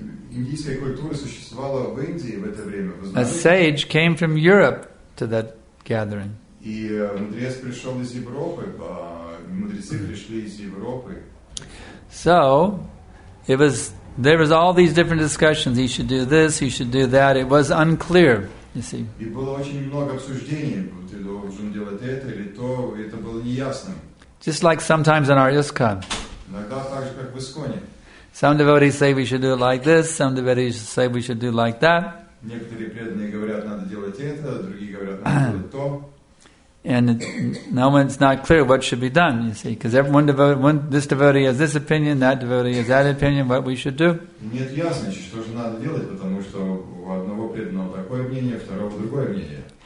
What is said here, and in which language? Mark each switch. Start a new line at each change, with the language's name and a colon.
Russian: Индийская культура существовала в Индии в это время.
English: A sage came from Europe to that gathering.
Russian: И мудрец пришел из Европы. Мудрецы пришли из Европы.
English: So, there was all these different discussions. He should do this, he should do that. It was unclear, you see.
Russian: И было очень много обсуждений. Должен делать это или то, это было неясным.
English: Just like sometimes in our ISKCON.
Russian: Иногда так же, как в ИСКОНе.
English: Some devotees say we should do it like this, some devotees say we should do it like that.
Russian: Некоторые преданные говорят, надо делать это, другие говорят, надо делать то.
English: And it's not clear what should be done, you see, because this devotee has this opinion, that devotee has that opinion, what we should do.
Russian: Нет ясности, что же надо делать, потому что у одного преданного такое мнение, у второго другое мнение.